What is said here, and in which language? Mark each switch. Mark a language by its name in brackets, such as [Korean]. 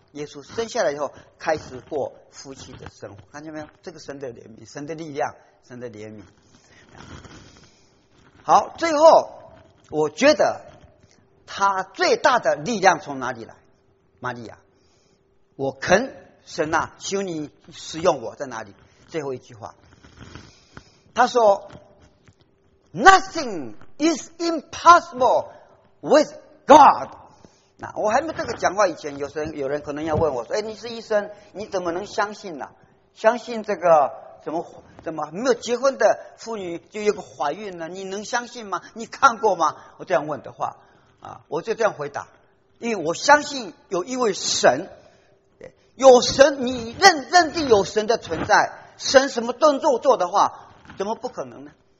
[Chinese] 耶稣生下来以后开始过夫妻的生活，看见没有？这个神的怜悯，神的力量，神的怜悯。好，最后我觉得他最大的力量从哪里来？玛利亚，我恳神啊，求你使用我，在哪里？最后一句话，他说 [English] Nothing is impossible with God。 [Chinese] 那我还没这个讲话以前，有人可能要问我说，哎，你是医生，你怎么能相信呢、啊、相信这个怎么没有结婚的妇女就有个怀孕呢？你能相信吗？你看过吗？我这样问的话啊，我就这样回答，因为我相信有一位神，有神，你认定有神的存在，神什么动作做的话，怎么不可能呢？